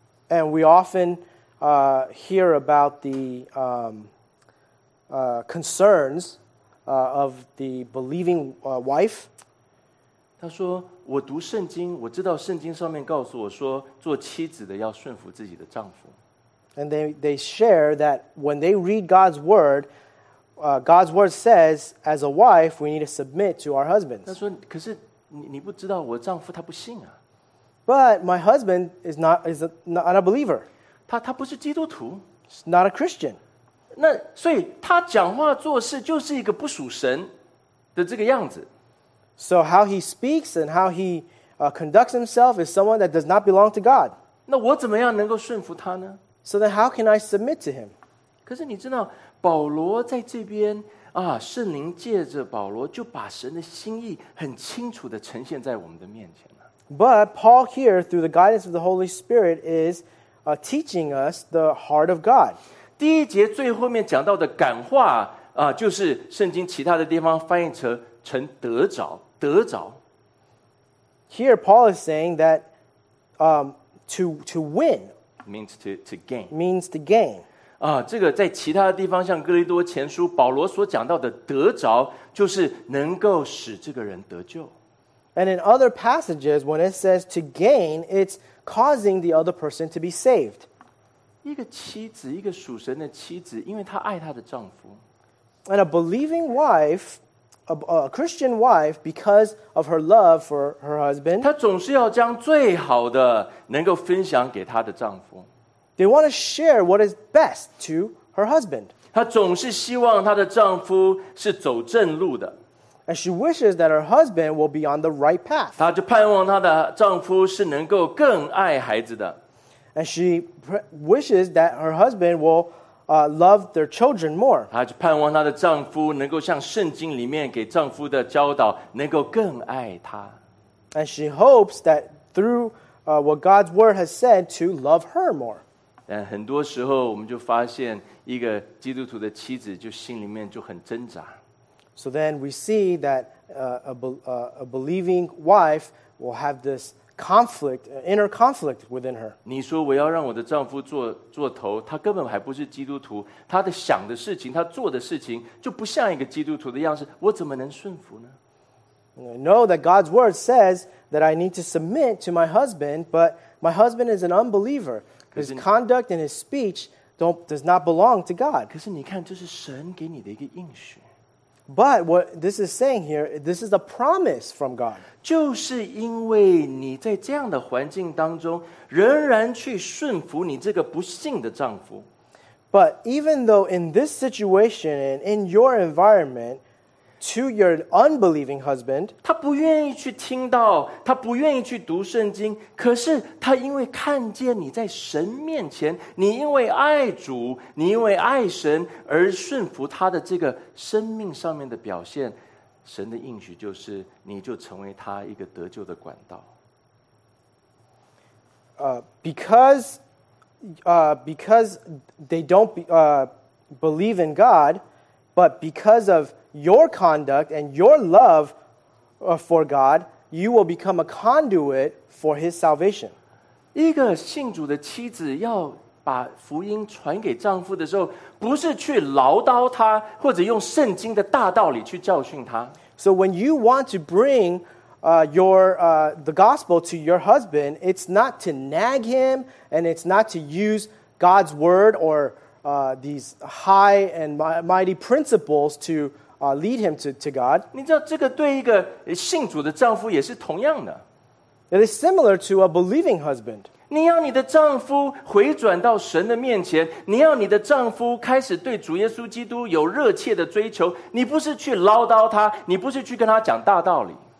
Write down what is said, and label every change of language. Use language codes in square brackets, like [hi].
[en] And we often hear about the concerns of the believing wife. [zh] 他说，我读圣经，我知道圣经上面告诉我说，做妻子的要顺服自己的丈夫。 [en] And they share that when they read God's word, God's word says, as a wife, we need to submit to our husbands. [zh] 他说，可是你不知道我丈夫他不信啊。 [en] But my husband is not a believer. [zh] 他不是基督徒。 [en] He's not a Christian. [zh] 那所以他讲话做事就是一个不属神的这个样子。 [en] So how he speaks and how he conducts himself is someone that does not belong to God. [zh] 那我怎么样能够顺服他呢？ [en] So then how can I submit to him? [zh] 可是你知道保罗在这边啊，圣灵借着保罗就把神的心意很清楚地呈现在我们的面前。 [en] But Paul here, through the guidance of the Holy Spirit, is teaching us the heart of God. [zh] 第一节最后面讲到的感化就是圣经其他的地方翻译成得着，得着。 [en] Here Paul is saying that to win means to gain. Means to gain. [zh] 这个在其他的地方，像哥林多前书，保罗所讲到的得着，就是能够使这个人得救。 [en] And in other passages, when it says to gain, it's causing the other person to be saved. [zh] 一个妻子，一个属神的妻子，因为她爱她的丈夫。 [en] And a believing wife, a Christian wife, because of her love for her husband, [zh] 她总是要将最好的能够分享给她的丈夫。 [en] They want to share what is best to her husband. [zh] 她总是希望她的丈夫是走正路的。 [en] And she wishes that her husband will be on the right path. [zh] 她就盼望她的丈夫是能够更爱孩子的。 [en] And she wishes that her husband will love their children more. [zh] 她就盼望她的丈夫能够像圣经里面给丈夫的教导，能够更爱她。 [en] And she hopes that through what God's word has said to love her more. [zh] 但很多时候我们就发现一个基督徒的妻子就心里面就很挣扎。 [en] So then we see that a believing wife will have this conflict, inner conflict within her. [zh] 你说我要让我的丈夫做头，他根本还不是基督徒，他的想的事情，他做的事情就不像一个基督徒的样式，我怎么能顺服呢？ [en] Know that God's word says that I need to submit to my husband, but my husband is an unbeliever. His conduct and his speech does not belong to God. [zh] 可是你看，这是神给你的一个应许。 [en] But what this is saying here, this is a promise from God. [zh] 就是因为你在这样的环境当中仍然去顺服你这个不幸的丈夫。 [en] But even though in this situation and in your environment, to your unbelieving husband. [zh] 她不愿意去听到，她不愿意去读圣经，可是她因为看见你在神面前，你因为爱主，你因为爱神而顺服她的这个生命上面的表现，神的应许就是你就成为她一个得救的管道。 [en] Because they don't believe in God, but because of your conduct and your love for God, you will become a conduit for His salvation. [zh] 一个信主的妻子要把福音传给丈夫的时候，不是去唠叨他，或者用圣经的大道理去教训他。 [en] So when you want to bring the gospel to your husband, it's not to nag him, and it's not to use God's word or these high and mighty principles to lead him to God. [zh] 你知道这个对一个信主的丈夫也是同样的。 [en] It is similar to a believing husband. [zh] 你要你的丈夫回转到神的面前，你要你的丈夫开始对主耶稣基督有热切的追求，你不是去唠叨他，你不是去跟他讲大道理。